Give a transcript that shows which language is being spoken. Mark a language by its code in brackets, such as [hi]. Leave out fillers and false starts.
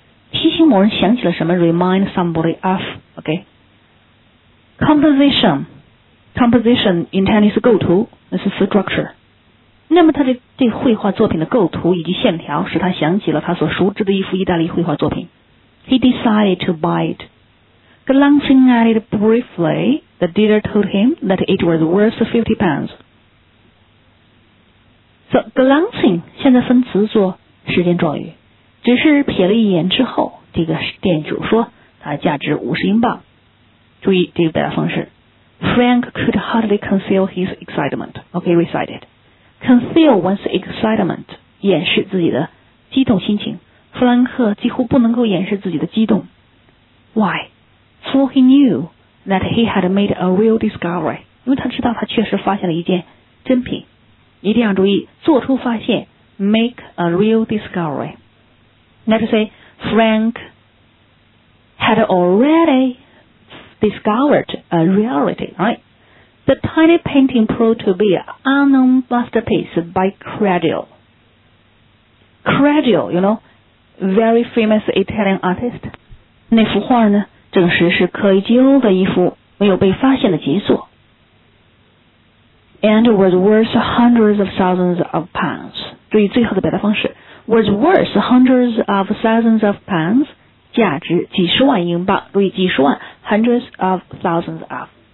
[zh] 提醒某人想起了什么， [en] remind somebody of， [zh] OK。 [en] Composition in Chinese [zh] 是构图，那是 [en] structure。 [zh] 那么他的这绘画作品的构图以及线条使他想起了他所熟知的一幅意大利绘画作品。 [en] He decided to buy it. Glancing at it briefly, the dealer told him that it was worth 50 pounds. [zh] So glancing 现在分词做时间状语，只是瞥了一眼之后，这个店主说它价值50英镑。注意这个表达方式。 [en] Frank could hardly conceal his excitement. Okay, recite it. Conceal one's excitement. [zh] 掩饰自己的激动心情。弗兰克几乎不能够掩饰自己的激动。 [en] Why? For he knew that he had made a real discovery. [zh] 因为他知道他确实发现了一件珍品。一定要注意，做出发现， [en] make a real discovery. Let's say, Frank had already... discovered a reality, right? The tiny painting proved to be an unknown masterpiece by Credio. Credio, you know, very famous Italian artist. [zh] 那幅画呢，证实是柯伊基欧的一幅没有被发现的杰作。 [en] And was worth hundreds of thousands of pounds. [zh] 注意最后的表达方式。 [en] Was worth hundreds of thousands of pounds. [zh] 价值几十万英镑，注意几十万 [en] hundreds of thousands of。